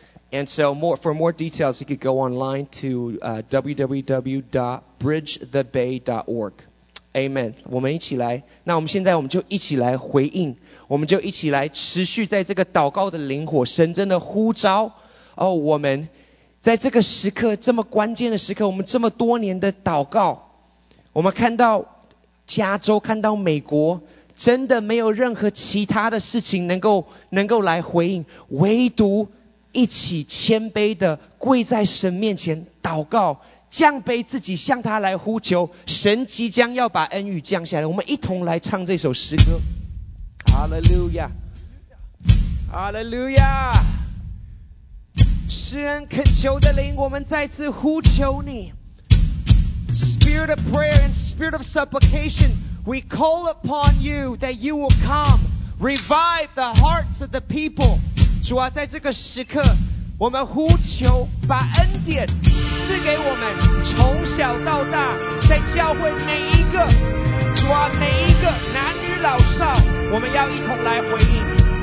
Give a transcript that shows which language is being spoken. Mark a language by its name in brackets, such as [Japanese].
[English] And so for more details, you could go online to www.bridgethebay.org. Amen. [Chinese] 我们一起来，那我们现在我们就一起来回应，我们就一起来持续在这个祷告的灵火，神真的呼召哦，我们在这个时刻，这么关键的时刻，我们这么多年的祷告，我们看到加州，看到美国，真的没有任何其他的事情能够来回应，唯独一起谦卑的跪在神面前祷告，降卑自己向他来呼求，神即将要把恩雨降下来。我们一同来唱这首诗歌。 Hallelujah, Hallelujah, 施恩恳求的灵，我们再次呼求你。 [English] Spirit of prayer and spirit of supplication, we call upon you that you will come, revive the hearts of the people. [Chinese] 主啊，在这个时刻，我们呼求把恩典赐给我们，从小到大，在教会每一个，主啊，每一个男女老少，我们要一同来回应。